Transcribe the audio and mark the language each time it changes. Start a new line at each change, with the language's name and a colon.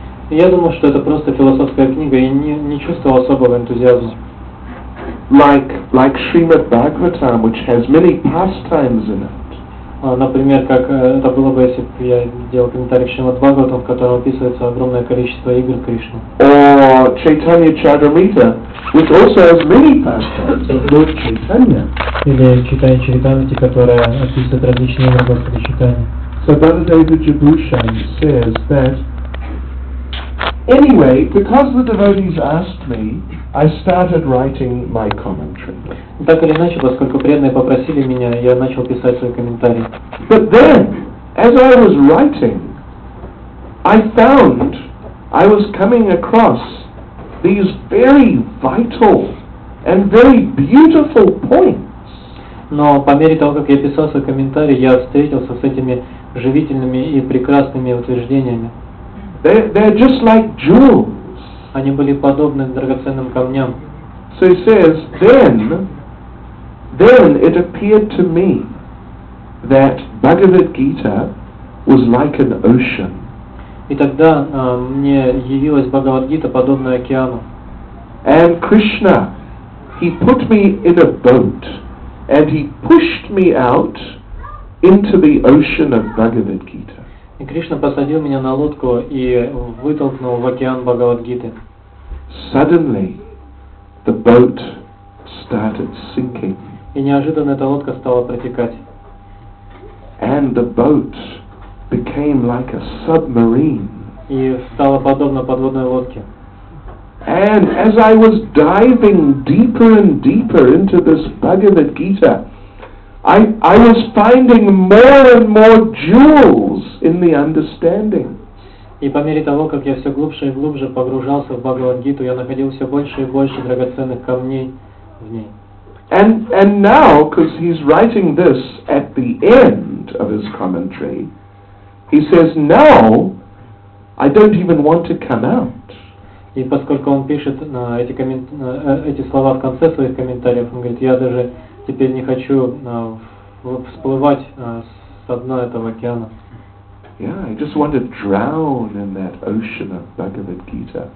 Russian: Я думал, что это просто философская книга, и не чувствовал особого энтузиазма.
English: Like Srimad Bhagavatam, which has many pastimes in it.
Russian: Например, как это было бы, если бы я делал комментарий к Шримад Бхагаватам, в котором описывается огромное количество игр Кришны.
English: Or Chaitanya Charitamrita, which also has many pastimes.
Russian: Или Чайтанья Чаритамрита, которая описывает различные игры Чайтанья.
English: So Bhagavad Jibushan says that anyway, because the devotees asked me, I started writing my commentary.
Russian: Так или иначе, поскольку преданные попросили меня, я начал писать свой комментарий.
English: But then, as I was writing, I found I was coming across these very vital and very beautiful points.
Russian: Но по мере того, как я писал свой комментарий, я встретился с этими живительными и прекрасными утверждениями.
English: They're just like jewels.
Russian: Они были подобны драгоценным камням.
English: So he says, then it appeared to me that Bhagavad Gita was like an ocean.
Russian: И тогда мне явилась Бхагавад Гита подобная океану.
English: And Krishna, he put me in a boat, and he pushed me out into the ocean of Bhagavad Gita.
Russian: И Кришна посадил меня на лодку и вытолкнул в океан Бхагавад-гиты.
English: Suddenly, the boat started sinking.
Russian: И неожиданно эта лодка стала протекать.
English: And the boat became like a submarine.
Russian: И стала подобна подводной лодке.
English: And as I was diving deeper and deeper into this Bhagavad Gita, I was finding more and more jewels in the understanding.
Russian: И по мере того, как я все глубже и глубже погружался в Бхагавад-гиту, я находил все больше и больше драгоценных камней в ней.
English: And now, because he's writing this at the end of his commentary, he says, now I don't even want to come out.
Russian: И поскольку он пишет эти слова в конце своих комментариев, он говорит, я даже теперь не хочу всплывать со дна этого океана.
English: Yeah, I just want to drown in that ocean of Bhagavad Gita.